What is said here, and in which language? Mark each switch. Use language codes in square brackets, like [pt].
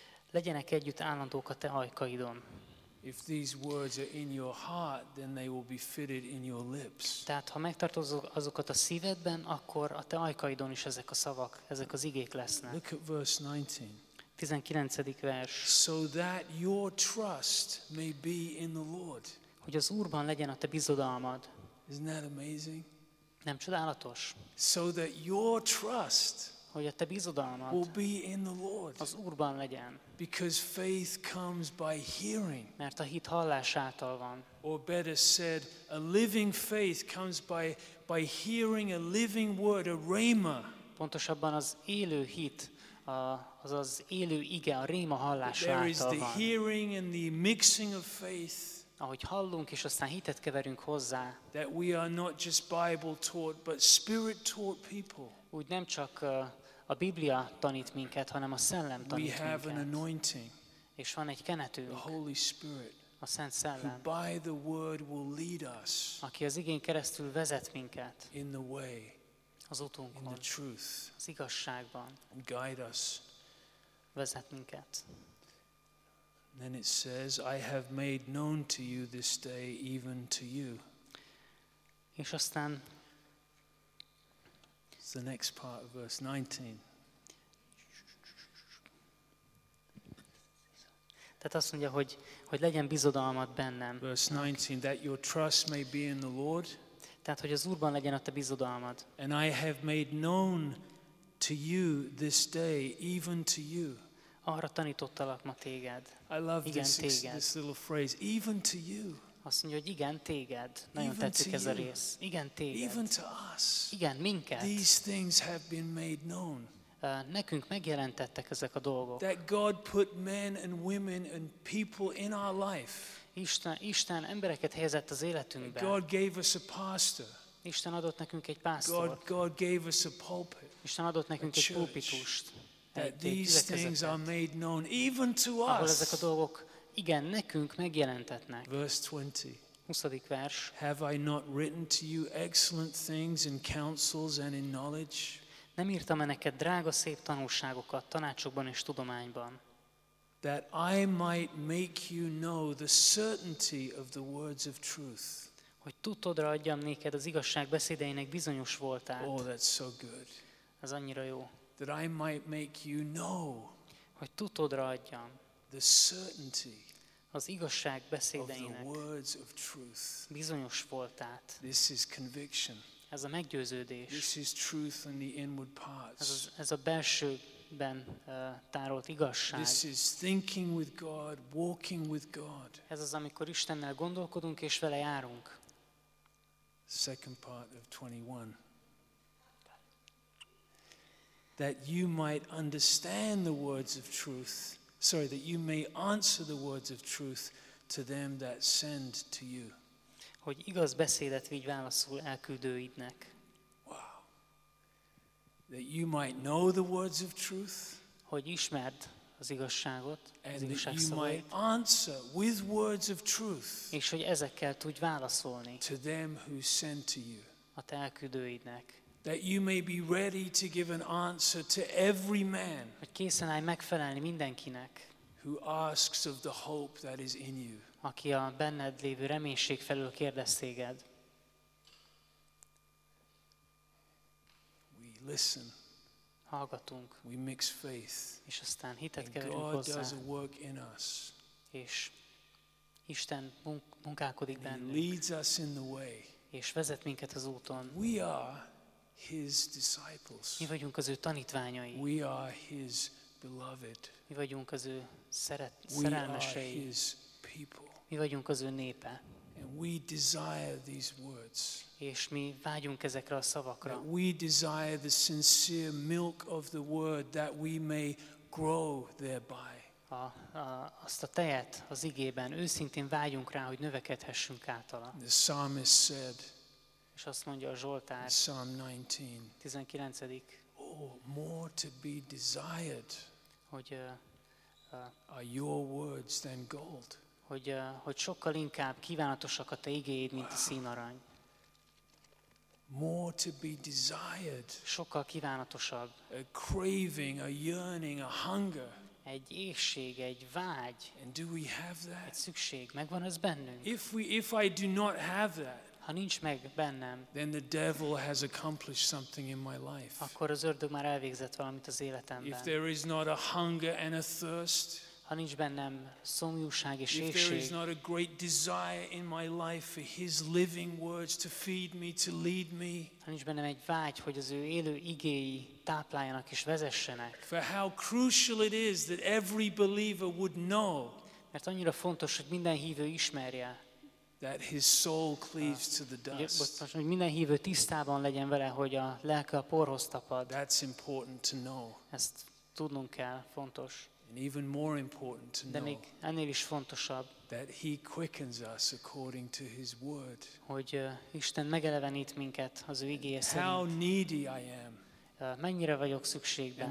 [hu] Legyenek együtt állandók a te ajkaidon. [en] If these words are in your heart, then they will be fitted in your lips. [hu] Tehát ha megtartod azokat a szívedben, akkor a te ajkaidon is ezek a szavak, ezek az igék lesznek. [en] Look at verse 19. [hu] 19. vers. [en] So that your trust may be in the Lord. [hu] Hogy az Úrban legyen a te bizodalmad. [en] Isn't that amazing? [hu] Nem csodálatos? [en] So that your trust [hu] hogy a te bizodalmad [en] will be in the Lord. [hu] Az Úrban legyen. [en] Because faith comes by hearing. [hu] Mert a hit hallás által van. [en] Or better said, a living faith comes by hearing a living word, a réma. [hu] Pontosabban az élő hit, az élő ige, a réma hallás [en] there [hu] által van. [en] There is the hearing and the mixing of faith. [hu] Ahogy hallunk, és aztán hitet keverünk hozzá. [en] That we are not just Bible taught, but Spirit taught people. [hu] Úgy nem csak a Biblia tanít minket, hanem a Szellem tanít minket. [en] We have an anointing. [hu] És van egy kenetünk. [en] The Holy Spirit. [hu] A Szent Szellem. [en] Who by the word will lead us. [hu] Aki az igén keresztül vezet minket. [en] In the way. [hu] Az utunkon. [en] In the truth. [hu] Az igazságban. [en] Guide us. [hu] Vezet minket. [en] Then it says, I have made known to you this day, even to you. [hu] És aztán [en] it's the next part of verse 19. [hu] Tehát azt mondja, hogy legyen bizodalmat bennem. [en] Verse 19, that your trust may be in the Lord. [hu] Tehát, hogy az Úrban legyen a te bizodalmad. [en] And I have made known to you this day, even to you. [hu] Arra tanítottalak ma téged. [en] I love [hu] igen, [en] this, [hu] téged. [en] This little phrase, even to you. [hu] Azt mondja, hogy igen, téged. Nagyon [en] even [hu] tetszik ez [en] you. [hu] A rész. Igen, téged. [en] Even to us. [hu] Igen, minket. [en] These things have been made known. [hu] Nekünk megjelentettek ezek a dolgok. [en] That God put men and women and people in our life. [hu] Isten embereket helyezett az életünkbe. [en] God gave us a pastor. [hu] Isten adott nekünk egy pásztort. [en] God gave us a pulpit. [hu] Isten adott nekünk egy pulpitust. [en] That these things are made known even to us. [hu] Ahol ezek a dolgok igen nekünk megjelentetnek. [en] Verse 20. [hu] 20. vers. [en] Have I not written to you excellent things in counsels and in knowledge? [hu] Nem írtam-e neked drága szép tanulságokat tanácsokban és tudományban? [en] That I might make you know the certainty of the words of truth. [hu] Hogy tudtodra adjam néked az igazság beszédeinek bizonyos voltát. [en] Oh, that's so good. [hu] Ez annyira jó. [en] That I might make you know, [hu] hogy tudodra adjam, [en] the certainty, [hu] az igazság beszédeinek, [en] of the words of truth, [hu] bizonyos voltát. [en] This is conviction, [hu] ez a meggyőződés. [en] This is truth in the inward parts, [hu] ez a belsőben tárolt igazság. [en] This is thinking with God, walking with God. [hu] Ez az, amikor Istennel gondolkodunk és vele járunk. [en] Second part of 21. that you might understand the words of truth, sorry, that you may answer the words of truth to them that send to you. [hu] Hogy igaz beszédet vigy válaszul elküldőidnek. [en] Wow. That you might know the words of truth. [hu] Hogy ismerd az igazságot, az igazság szavait. [en] And that you might answer with words of truth. [hu] És hogy ezekkel tudj válaszolni. [en] To them who send to you. [hu] A te elküldőidnek. [en] That you may be ready to give an answer to every man. [hu] Hogy készen állj megfelelni mindenkinek. [en] Who asks of the hope that is in you. [hu] Aki a benned lévő reménység felől kérdez téged. [en] We listen. [hu] Hallgatunk. [en] We mix faith. [hu] És aztán hitet keverünk hozzá. [en] And God does a work in us. [hu] És Isten munkálkodik bennünk. [en] He leads us in the way. [hu] És vezet minket az úton. [en] We are His disciples. [hu] Mi vagyunk az ő tanítványai. [en] We are His beloved. [hu] Mi vagyunk az ő szerelmesei. [en] We are His people. [hu] Mi vagyunk az ő népe. [en] And we desire these words. [hu] És mi vágyunk ezekre a szavakra. [en] That we desire the sincere milk of the word that we may grow thereby. [hu] Azt a tejet az igében őszintén vágyunk rá, hogy növekedhessünk általa. [en] The psalmist said. [hu] És azt mondja a Zsoltár. [en] Psalm 19. [hu] 19. [en] Oh, more to be desired. [hu] Hogy [en] are your words than gold. [hu] Hogy sokkal inkább kívánatosak a te igéid, mint a színarany. [en] More to be desired. [hu] Sokkal kívánatosabb. [en] A craving, a yearning, a hunger. [hu] Egy éhség, egy vágy. [en] And do we have that? [hu] Egy szükség, megvan ez bennünk. [en] If I do not have that. [hu] Ha nincs meg bennem, [en] then the devil has accomplished something in my life. [hu] Akkor az ördög már elvégzett valamit az életemben. [en] If there is not a hunger and a thirst, [hu] ha nincs bennem szomjúság és éhség, [en] if there is not a great desire in my life for His living words to feed me, to lead me, [hu] ha nincs bennem egy vágy, hogy az ő élő igéi tápláljanak és vezessenek, [en] for how crucial it is that every believer would know, [hu] mert annyira fontos, hogy minden hívő ismerje, [en] that his soul cleaves to the dust. [hu] Hogy minden hívő tisztában legyen vele, hogy a lelke a porhoz tapad. [en] That's important to know. [hu] Ezt tudnunk kell, fontos. [en] And even more important to know. [hu] De még ennél is fontosabb. [en] That he quickens us according to his word. [hu] Hogy Isten megelevenít minket az ő igéje szerint. [en] How needy I am. [hu] Mennyire vagyok szükségben.